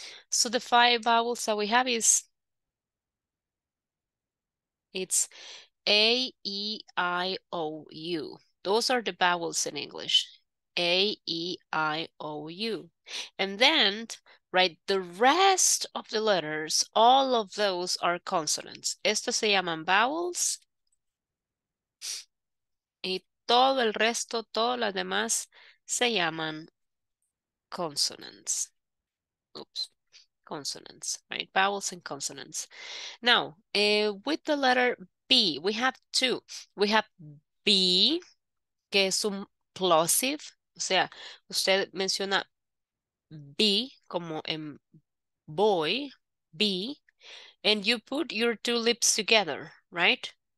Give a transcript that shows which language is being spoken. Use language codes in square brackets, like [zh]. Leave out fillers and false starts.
[en] So the five vowels that we have is, it's A, E, I, O, U. Those are the vowels in English, A, E, I, O, U. And then, right, the rest of the letters, all of those are consonants. [es] Estos se llaman vowels. Y todo el resto, todas las demás, se llaman consonants. [en] Oops, consonants, right? Vowels and consonants. Now, with the letter B, we have two. We have B, [es] que es un [en] plosive. [es] O sea, usted menciona B, como en boy, B, [en] and you put your two lips together, right?